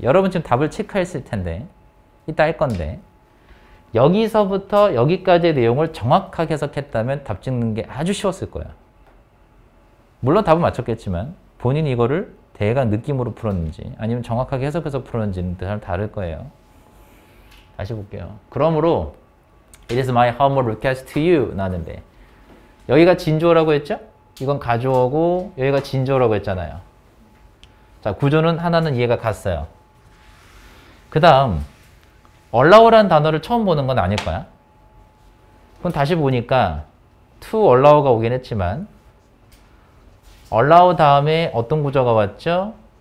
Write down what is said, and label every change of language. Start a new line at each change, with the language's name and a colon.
Korean: 여러분 지금 답을 체크했을 텐데 이따 할 건데 여기서부터 여기까지의 내용을 정확하게 해석했다면 답 찍는 게 아주 쉬웠을 거야. 물론 답은 맞췄겠지만 본인이 이거를 대강 느낌으로 풀었는지 아니면 정확하게 해석해서 풀었는지는 사람 다를 거예요. 다시 볼게요. 그러므로
English: It is my humble request to you
Korean: 나왔는데 여기가 진주어라고 했죠? 이건 가져오고 여기가 진주어라고 했잖아요. 자, 구조는 하나는 이해가 갔어요. 그 다음 allow라는 단어를 처음 보는 건 아닐 거야. 그럼 다시 보니까 to allow가 오긴 했지만 allow 다음에 어떤 구조가 왔죠?